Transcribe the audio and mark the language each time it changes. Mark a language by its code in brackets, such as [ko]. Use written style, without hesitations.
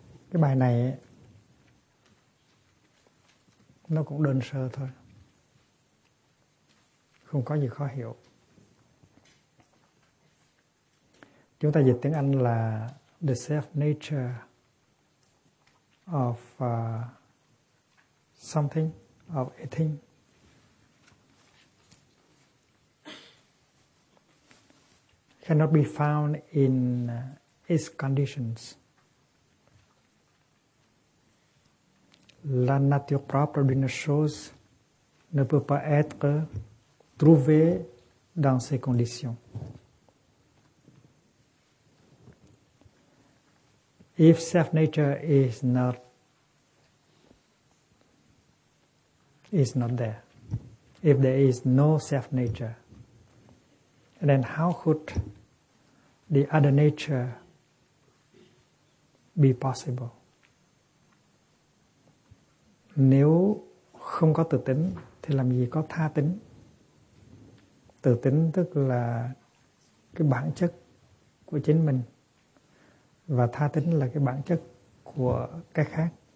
[vi] Cái bài này nó cũng đơn sơ thôi, không có gì khó hiểu. Chúng ta dịch tiếng Anh là [en] the self nature of something, of a thing. Cannot be found in its conditions. [fr] La nature propre d'une chose ne peut pas être trouvé dans ces conditions. [en] If self-nature is not there, if there is no self-nature, then how could the other nature be possible? [vi] Nếu không có tự tính, thì làm gì có tha tính? Tự tính tức là cái bản chất của chính mình, và tha tính là cái bản chất của cái khác.